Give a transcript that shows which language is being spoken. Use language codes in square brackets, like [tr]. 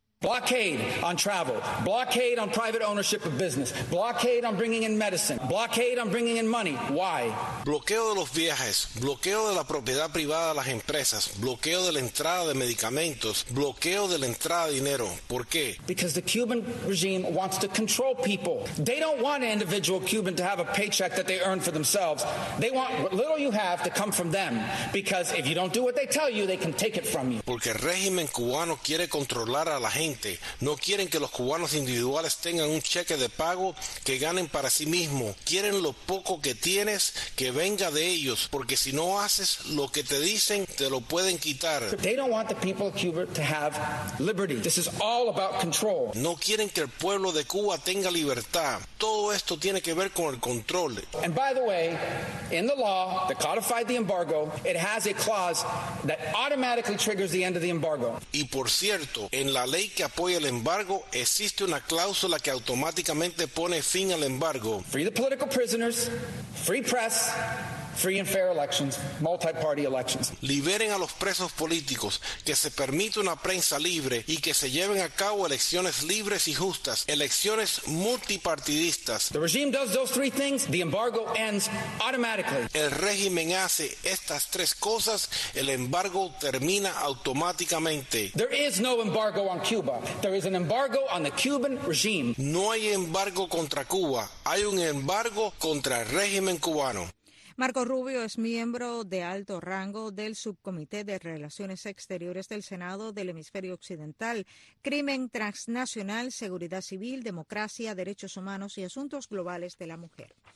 [en] Blockade on travel, blockade on private ownership of business, blockade on bringing in medicine, blockade on bringing in money. Why? [es] Bloqueo de los viajes, bloqueo de la propiedad privada de las empresas, bloqueo de la entrada de medicamentos, bloqueo de la entrada de dinero. ¿Por qué? [en] Because the Cuban regime wants to control people. They don't want an individual Cuban to have a paycheck that they earn for themselves. They want what little you have to come from them, because if you don't do what they tell you, they can take it from you. [es] Porque el régimen cubano quiere controlar a la gente. No quieren que los cubanos individuales tengan un cheque de pago que ganen para sí mismo. Quieren lo poco que tienes que venga de ellos, porque si no haces lo que te dicen, te lo pueden quitar. [en] They don't want the people of Cuba to have liberty. This is all about control. [es] No quieren que el pueblo de Cuba tenga libertad. Todo esto tiene que ver con el control. [en] And by the way, in the law that codified the embargo, it has a clause that automatically triggers the end of the embargo. [es] Y por cierto, en la ley que apoya el embargo, existe una cláusula que automáticamente pone fin al embargo. [en] Free the political prisoners, free press, free and fair elections, multi-party elections. [es] Liberen a los presos políticos, que se permita una prensa libre y que se lleven a cabo elecciones libres y justas, elecciones multipartidistas. [en] The regime does those three things, the embargo ends automatically. [es] El régimen hace estas tres cosas, el embargo termina automáticamente. [en] There is no embargo on Cuba. There is an embargo on the Cuban regime. [es] No hay embargo contra Cuba, hay un embargo contra el régimen cubano. Marco Rubio es miembro de alto rango del Subcomité de Relaciones Exteriores del Senado del Hemisferio Occidental, Crimen Transnacional, Seguridad Civil, Democracia, Derechos Humanos y Asuntos Globales de la Mujer.